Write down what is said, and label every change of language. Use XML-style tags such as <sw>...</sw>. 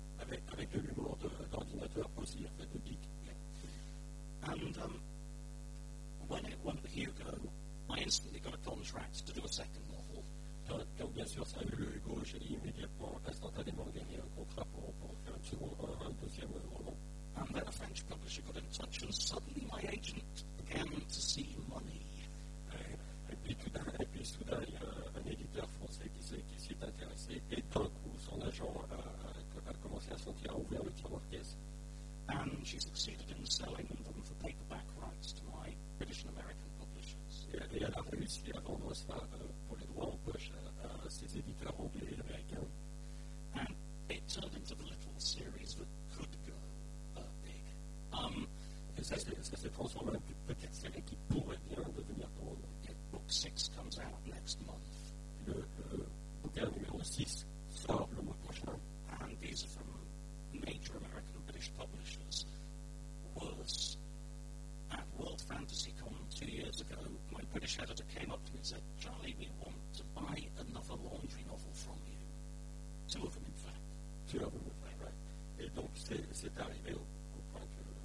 <fr>Avec de l'humour d'ordinateur aussi, en fait, de geek.</fr> <en>Yeah. And when it won the Hugo, I instantly got a contract to do a second novel.</en> <fr>Quand bien sûr ça a eu le Hugo, j'ai instantanément gagné un contrat pour faire un deuxième roman.</fr> <en>And then a French publisher got in touch, and suddenly my agent began to see money.</en> <fr>et elle a réussi à vendre ça pour les droits en poche à ses éditeurs anglais et américains.</fr> <en>And it turned into the little series that could go big.</en> <fr>Et ça, c'est transformé en petite série qui pourrait bien devenir grande.</fr> <en>Yeah, book 6 comes out next month.</en> <fr>Le bouquin numéro 6 sort le mois prochain.</fr> <en>And these are from major American and British publishers. Worse. At World Fantasy Con 2 years ago, my British editor came up to me and said, Charlie, we want to buy another laundry novel from you. Two of them, in fact. Two of them, in fact, right.</en> <fr>Et donc, c'est arrivé au point que,</fr>